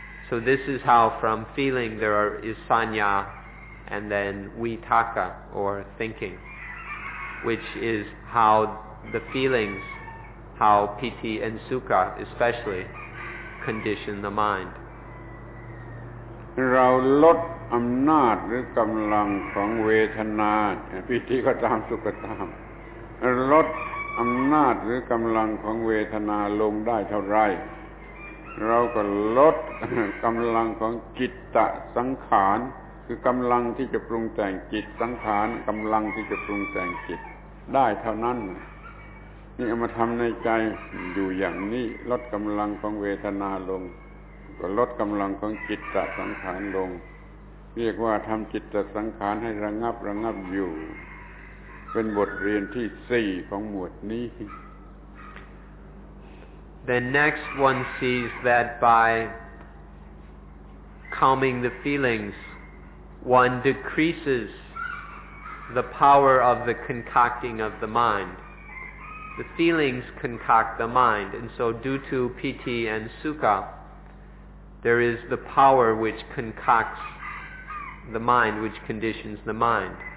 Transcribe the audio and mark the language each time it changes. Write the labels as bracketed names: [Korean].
[English] So this is how from feeling there is sanya and then vitaka or thinking, which is how the feelings, how piti and sukha especially condition the mind. [Thai] เราลดอำนาจหรือกำลังของเวทนาปิติก็ตามสุขก็ตามลดอำนาจหรือกำลังของเวทนาลงได้เท่าไร เราก็ลดกำลังของจิตตสังขารคือกำลังที่จะปรุงแต่งจิตสังขารกำลังที่จะปรุงแต่งจิตได้เท่านั้นนี่เอามาทำในใจอยู่อย่างนี้ลดกำลังของเวทนาลงลดกำลังของจิตตสังขารลงเรียกว่าทำจิตตสังขารให้ระงับอยู่เป็นบทเรียนที่4ของหมวดนี้ [English] The next one sees that by calming the feelings one decreases the power of the concocting of the mind the feelings concoct the mind and so due to piti and sukhaThere is the power which concocts the mind, which conditions the mind.